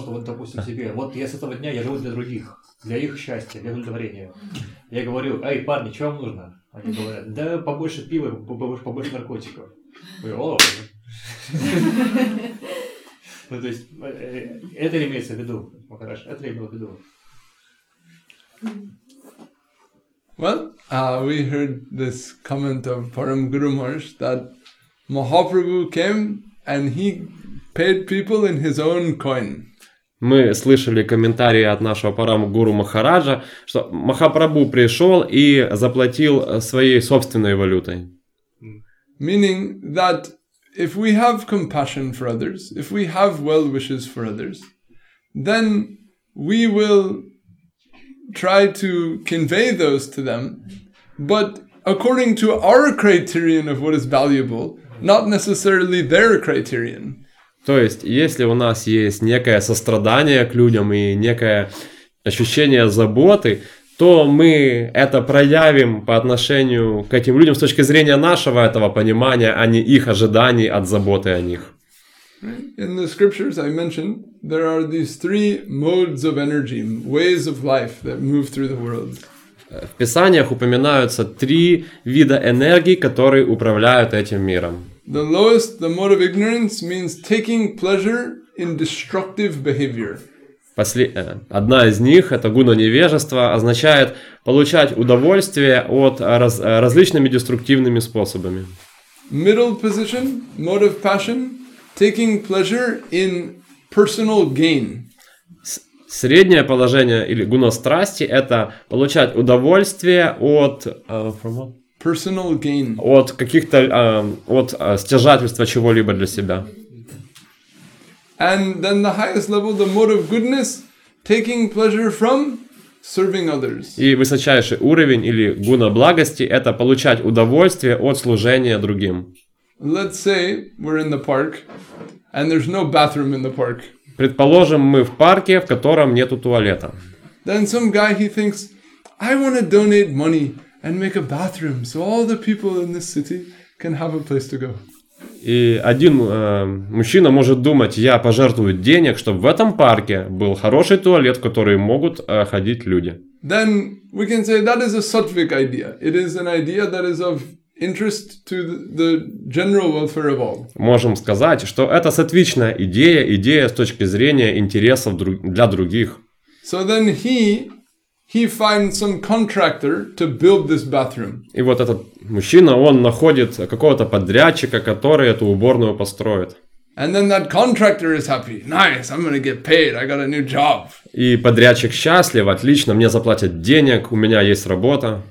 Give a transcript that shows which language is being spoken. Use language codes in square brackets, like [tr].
[ru] Что вот, допустим, себе, вот я с этого дня я живу для других, для их счастья, для удовлетворения. Я говорю, эй, парни, что вам нужно? Они говорят, да побольше пива, побольше наркотиков. Я говорю, ну, то есть, это имеется в виду, Махарадж, это имеется в виду. [en] Well, we heard this comment of Param Guru Maharaj that Mahaprabhu came and he paid people in his own coin. [ru] Мы слышали комментарии от нашего Парам Гуру Махараджа, что Махапрабху пришел и заплатил своей собственной валютой. [en] Meaning that if we have compassion for others, if we have well wishes for others, then we will try to convey those to them, but according to our criterion of what is valuable, not necessarily their criterion. [ru] То есть, если у нас есть некое сострадание к людям и некое ощущение заботы, то мы это проявим по отношению к этим людям с точки зрения нашего этого понимания, а не их ожиданий от заботы о них. [en] In the scriptures I mentioned, there are these three modes of energy, ways of life that move through the world. [ru] В писаниях упоминаются три вида энергии, которые управляют этим миром. [en] The lowest, the mode of ignorance, means taking pleasure in destructive behavior. [ru] Одна из них, это гуна невежества, означает получать удовольствие от различными деструктивными способами. [en] Middle position, mode of passion, taking pleasure in personal gain. [ru] Среднее положение или гуна страсти – это получать удовольствие от [en] from what? Personal gain. [ru] От каких-то от стяжательства чего-либо для себя. [en] And then the highest level, the mode of goodness, taking pleasure from serving others. [ru] И высочайший уровень или гуна благости – это получать удовольствие от служения другим. [en] Let's say we're in the park, and there's no bathroom in the park. [ru] Предположим, мы в парке, в котором нету туалета. [en] Then some guy he thinks, I want to donate money and make a bathroom, so all the people in this city can have a place to go. [ru] И один мужчина может думать, я пожертвую денег, чтобы в этом парке был хороший туалет, в который могут ходить люди. [en] Then we can say that is a sattvic idea. It is an idea that is of interest to the general welfare of all. [ru] Можем сказать, что это сатвичная идея, идея с точки зрения интересов для других. [en] So then he finds some contractor to build this bathroom. [ru] И вот этот мужчина, он находит какого-то подрядчика, который эту уборную построит. [en] And then that contractor is happy. Nice, I'm gonna get paid. I got a new job. [ru] И подрядчик счастлив, отлично, мне заплатят денег, у меня есть работа.